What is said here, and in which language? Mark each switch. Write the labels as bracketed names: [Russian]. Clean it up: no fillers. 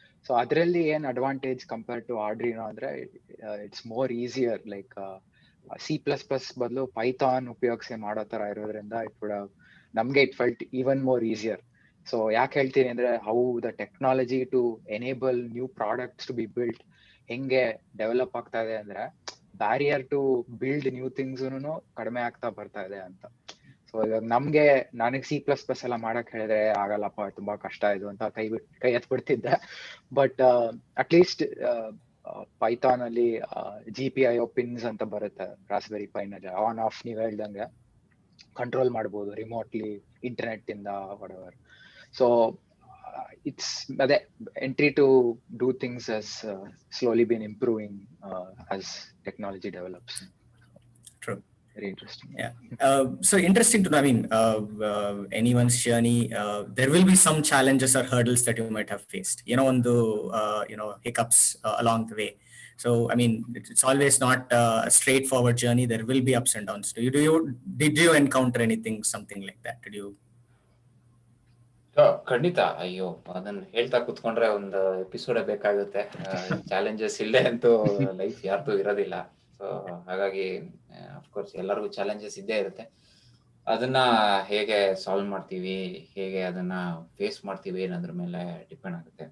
[English] So adralli en advantage compared to Arduino andre it's more easier, like C++ badlu Python [Kannada] upayogisi maado tara irodrinda [English] it would have namge it felt even more easier. So [Kannada] yak heltini andre [English] how the technology to enable new products to be built henge develop aagta ide andre barrier to build new things [Kannada] ಕಡಿಮೆ ಆಗ್ತಾ ಬರ್ತಾ ಇದೆ ಅಂತ. So ಇವಾಗ ನಮ್ಗೆ ನನಗೆ C++ ಎಲ್ಲ ಮಾಡಕ್ ಹೇಳಿದ್ರೆ ಆಗಲ್ಲಪ್ಪ ತುಂಬಾ ಕಷ್ಟ ಇದು ಅಂತ ಕೈ ಎತ್ಬಿಡ್ತಿದ್ದೆ. ಬಟ್ ಅಟ್ ಲೀಸ್ಟ್ ಪೈಥಾನ್ ಅಲ್ಲಿ GPIO ಪಿನ್ಸ್ ಅಂತ ಬರುತ್ತೆ ರಾಸ್ಬೆರಿ ಪೈನಲ್ಲಿ, ಆನ್ ಆಫ್ ನೀವು ಹೇಳ್ದಂಗೆ ಕಂಟ್ರೋಲ್ ಮಾಡ್ಬೋದು ರಿಮೋಟ್ಲಿ ಇಂಟರ್ನೆಟ್ ಇಂದ ವಾಟೆವರ್. [English] So it's the entry to do things has slowly been improving as technology develops. True. Very interesting. Yeah. So interesting to know, I mean, anyone's journey, there will be some challenges or hurdles that you might have faced, you know, on the you know, hiccups along the way. So I mean, it's always not a straightforward journey, there will be ups and downs. Did you encounter anything something like that? Did you? [Kannada] ಖಂಡಿತ, ಅಯ್ಯೋ ಅದನ್ನ ಹೇಳ್ತಾ ಕುತ್ಕೊಂಡ್ರೆ ಒಂದ್ ಎಪಿಸೋಡೇ ಬೇಕಾಗುತ್ತೆ. Challenges ಇಲ್ಲೇ ಅಂತೂ life ಯಾರ್ದು ಇರೋದಿಲ್ಲ. ಸೊ ಹಾಗಾಗಿ ಅಫ್ಕೋರ್ಸ್ ಎಲ್ಲರಿಗೂ ಚಾಲೆಂಜಸ್ ಇದ್ದೇ ಇರುತ್ತೆ. ಅದನ್ನ ಹೇಗೆ ಸಾಲ್ವ್ ಮಾಡ್ತೀವಿ, ಹೇಗೆ ಅದನ್ನ ಫೇಸ್ ಮಾಡ್ತೀವಿ ಅನ್ನೋದ್ರ ಮೇಲೆ ಡಿಪೆಂಡ್ ಆಗುತ್ತೆ.